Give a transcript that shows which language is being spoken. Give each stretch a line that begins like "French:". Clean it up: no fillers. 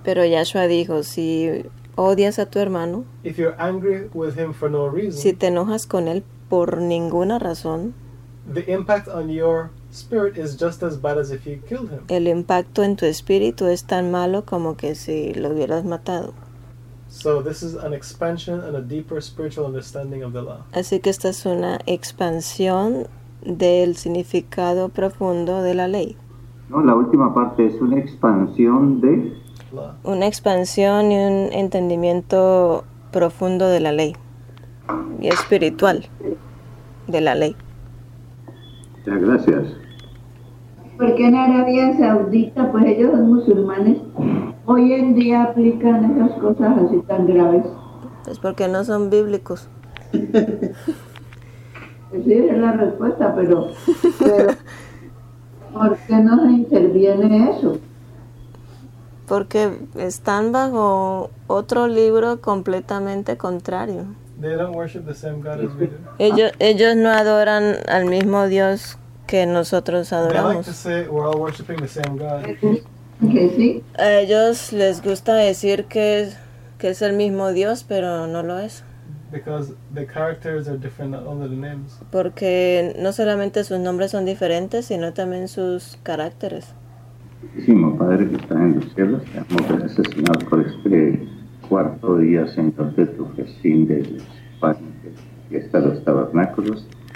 Spanish: pero Yeshua dijo, si odias a tu hermano,
English: if you're angry with him for no reason,
Spanish: si te enojas con él por ninguna razón,
English: the impact on your spirit is just as bad as if you killed him.
Spanish: El impacto en tu espíritu es tan malo como que si lo hubieras matado.
English: So this is an expansion and a deeper spiritual understanding of the law.
Spanish: Así que esta es una expansión del significado profundo de la ley. No, la última parte es una expansión de
English: law.
Spanish: Una expansión y un entendimiento profundo de la ley y espiritual de la ley. Ya, gracias. ¿Por qué en Arabia Saudita, pues ellos son musulmanes, hoy en día aplican esas cosas así tan graves? Pues porque no son bíblicos. Sí, es la respuesta, pero ¿por qué no se interviene eso? Porque están bajo otro libro completamente contrario.
English: They don't worship the same God as we do.
Spanish: Ellos no adoran al mismo Dios que nosotros adoramos.
English: They like to say we're all worshiping the same God.
Spanish: Okay, sí. A ellos les gusta decir que es el mismo Dios, pero no lo es.
English: Because the characters are different, not only the names.
Spanish: Porque no solamente sus nombres son diferentes, sino también sus caracteres. Santísimo Padre que estás en los cielos, te damos gracias, Señor, por este cuarto día, Señor, de tu festín de España, de fiesta de los tabernáculos.